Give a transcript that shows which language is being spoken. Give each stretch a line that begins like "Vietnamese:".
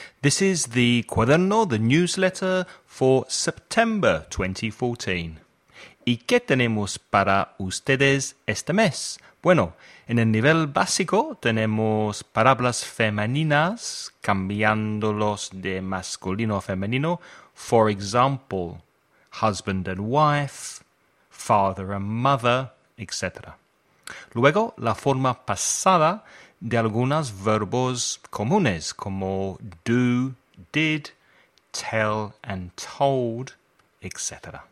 English: This is the Cuaderno, the newsletter for September 2014.
Spanish: ¿Y qué tenemos para ustedes este mes? Bueno, en el nivel básico tenemos palabras femeninas, cambiándolos de masculino a femenino.
English: For example, husband and wife, father and mother, etc.
Spanish: Luego, la forma pasada de algunos verbos comunes, como do, did, tell and told, etc.